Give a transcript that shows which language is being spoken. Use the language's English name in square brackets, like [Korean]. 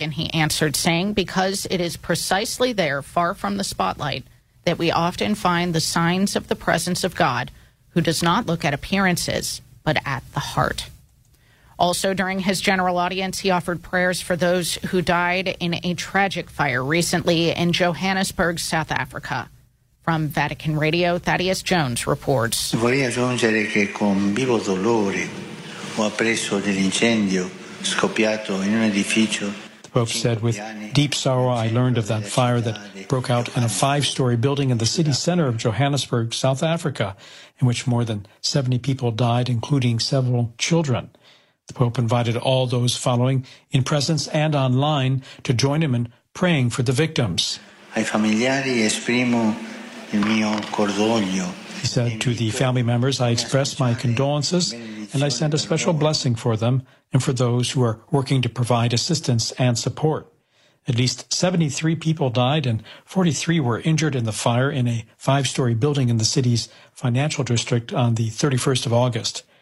[English] And he answered, saying, because it is precisely there, far from the spotlight, that we often find the signs of the presence of God, who does not look at appearances, but at the heart. Also, during his general audience, he offered prayers for those who died in a tragic fire recently in Johannesburg, South Africa. From Vatican Radio, Thaddeus Jones reports. [Italian] Vorrei aggiungere che con vivo dolore ho appreso dell'incendio scoppiato in un edificio. [English] The Pope said, with deep sorrow, I learned of that fire that broke out in a five-story building in the city center of Johannesburg, South Africa, in which more than 70 people died, including several children. The Pope invited all those following, in presence and online, to join him in praying for the victims. [Italian] Ai familiari esprimo il mio cordoglio. [English] He said, to the family members, I express my condolences and I send a special blessing for them and for those who are working to provide assistance and support. At least 73 people died and 43 were injured in the fire in a five-story building in the city's financial district on the 31st of August.